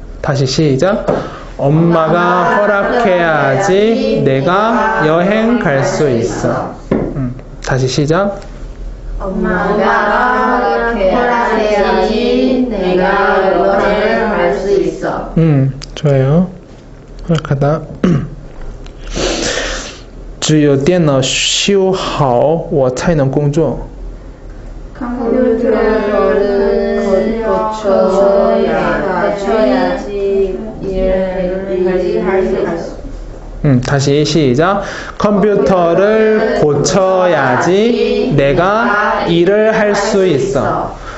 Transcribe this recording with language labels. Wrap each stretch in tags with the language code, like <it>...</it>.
<ko>다시 시작 엄마가 허락해야지 내가 여행 갈 수 있어 다시 시작 엄마가 허락해야지 내가 여행 갈 수 있어 좋아요 허락하다</ko> <zh>只有电脑修好，我才能工作。</zh> <ko>컴퓨터를 고쳐야 해야지 다시 시작. 컴퓨터를 고쳐야지 내가 일을 할 수 있어.</ko>